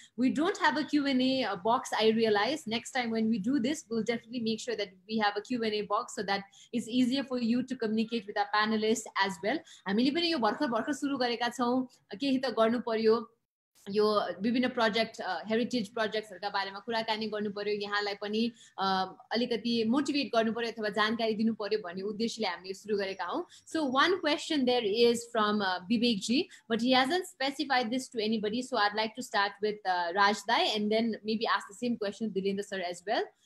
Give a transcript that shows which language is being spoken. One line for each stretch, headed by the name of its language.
English: We don't have a Q and A box, I realise next time when we do this will definitely make sure that we have a Q and A box so that is easier for you to communicate with our panellist as well.
Nepali: हामीले पनि यो भर्खर सुरु गरेका छौँ, केही त गर्नु पर्यो। यो विभिन्न प्रोजेक्ट हेरिटेज प्रोजेक्ट्सहरूका बारेमा कुराकानी गर्नु पर्यो, यहाँलाई पनि अलिकति मोटिभेट गर्नु पर्यो अथवा जानकारी दिनु पर्यो भन्ने उद्देश्यले हामीले सुरु गरेका हौँ।
English: So one question there is from Vivekji, but he hasn't specified this to any body, so I like to start with राज दाई and then maybe ask the same question Dilendra sir as well.